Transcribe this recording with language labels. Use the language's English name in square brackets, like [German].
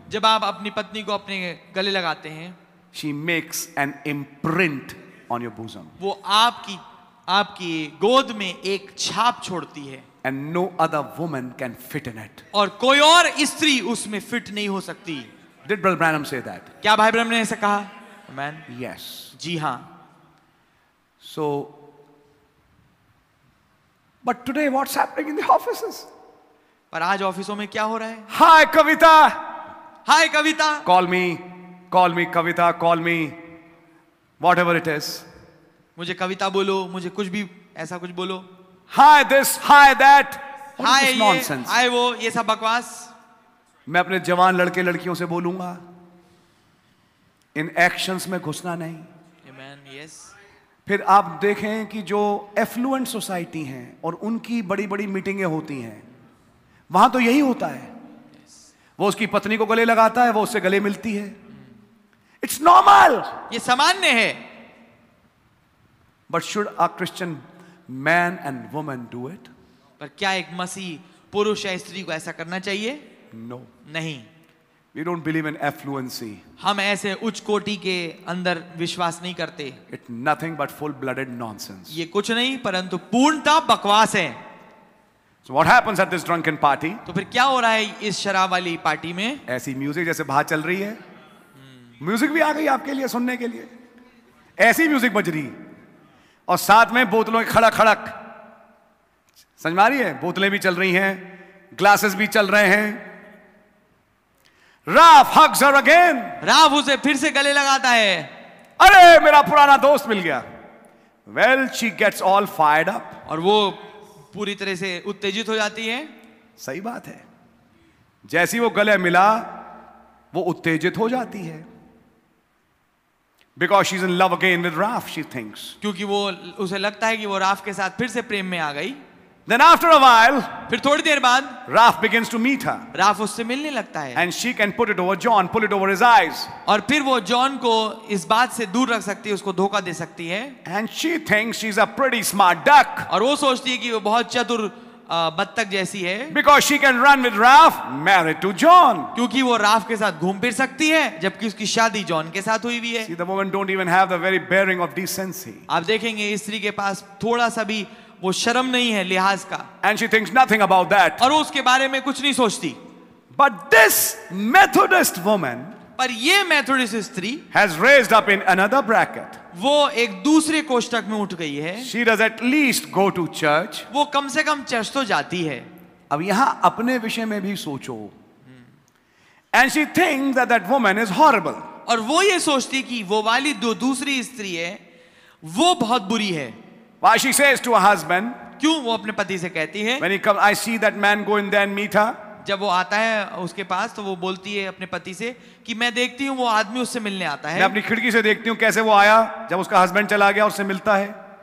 [Hindi] जब आप अपनी पत्नी को अपने गले लगाते हैं. [English] She makes an imprint on your bosom. [Hindi] वो आपकी आपकी गोद में एक छाप छोड़ती है. [English] And no other woman can fit in it. [Hindi] और कोई और स्त्री उसमें फिट नहीं हो सकती. [English] Did Brother Branham say that? [Hindi] क्या भाई ब्रह्म ने ऐसा कहा? [English] Amen. Yes. [Hindi] जी हाँ. [English] So. But today, what's happening in the offices? [Hindi] पर आज ऑफिसों में क्या हो रहा है? [English] Hi, Kavita. Hi, Kavita. Call me, Kavita. Call me, whatever it is. [Hindi] मुझे कविता बोलो, मुझे कुछ भी ऐसा कुछ बोलो. [English] Hi, this. Hi, that. Hi, nonsense. [Hindi] Hi, वो ये सब बकवास. मैं अपने जवान लड़के लड़कियों से बोलूँगा. इन एक्शंस में घुसना नहीं. [English] Amen. Yes. [Hindi] फिर आप देखें कि जो एफ्लुएंट सोसाइटी हैं और उनकी बड़ी बड़ी मीटिंगें होती हैं, वहां तो यही होता है. वो उसकी पत्नी को गले लगाता है, वो उससे गले मिलती है. [English] It's normal. [Hindi] ये सामान्य है. [English] But should a Christian man and woman do it? [Hindi] पर क्या एक मसीह पुरुष या स्त्री को ऐसा करना चाहिए? [English] No. [Hindi] नहीं. [English] We don't believe in affluency. [Hindi] हम ऐसे उच्च कोटि के अंदर विश्वास नहीं करते. [English] It's nothing but full-blooded nonsense. [Hindi] ये कुछ नहीं परंतु पूर्णतः बकवास है. [English] So what happens at this drunken party? [Hindi] तो फिर क्या हो रहा है इस शराब वाली पार्टी में? ऐसी म्यूजिक जैसे बाहर चल रही है, म्यूजिक भी आ गई आपके लिए सुनने के लिए, ऐसी म्यूजिक बज रही और साथ में बोतलों की खड़क खड़क, समझ में आ रही है? बोतलें भी चल रही हैं, ग्लासेस भी चल रहे हैं. [English] Raf hugs her again. [Hindi] Ralph उसे फिर से गले लगाता है. अरे मेरा पुराना दोस्त मिल गया. [English] well she gets all fired up [Hindi] और वो पूरी तरह से उत्तेजित हो जाती है. सही बात है, जैसी वो गले मिला वो उत्तेजित हो जाती है. [English] Because she's in love again with Raf, she thinks. [Hindi] क्योंकि वो उसे लगता है कि वो राफ के साथ फिर से प्रेम में आ गई. [English] Then after a while, [Hindi] फिर थोड़ी देर बाद, [English] Raf begins to meet her. [Hindi] Raf उससे मिलने लगता है. [English] And she can put it over John, pull it over his eyes. [Hindi] और फिर वो जॉन को इस बात से दूर रख सकती है, उसको धोखा दे सकती है. [English] And she thinks she's a pretty smart duck. [Hindi] और वो सोचती है कि वो बहुत चतुर बत्तख जैसी है. [English] Because she can run with Raf, married to John. [Hindi] क्योंकि वो राफ के साथ घूम फिर सकती है, जबकि उसकी शादी जॉन के साथ हुई भी है. [English] See, the woman don't even have the very bearing of decency. [Hindi] आप देखेंगे इस स्त्री के पास थोड़ा सा भी वो शर्म नहीं है लिहाज का. [English] And she thinks nothing about that. [Hindi] और उसके बारे में कुछ नहीं सोचती. [English] But this Methodist woman, [Hindi] पर ये मेथोडिस्ट स्त्री, [English] has raised up in another bracket. [Hindi] वो एक दूसरे कोष्टक में उठ गई है. [English] She does at least go to church. [Hindi] वो कम से कम चर्च तो जाती है. अब यहां अपने विषय में भी सोचो. [English] And she thinks that that woman is horrible. [Hindi] और वो ये सोचती कि वो वाली जो दूसरी स्त्री है वो बहुत बुरी है. [English] Why she says to her husband, [Hindi] क्यों वो अपने पति से कहती है, [English] when he come, I see that man go in there and meet her. [Hindi] जब वो आता है उसके पास तो वो बोलती है अपने पति से कि मैं देखती हूँ वो आदमी उससे मिलने आता है. मैं अपनी खिड़की से देखती हूँ कैसे वो आया जब उसका हस्बैंड चला गया उससे मिलता है.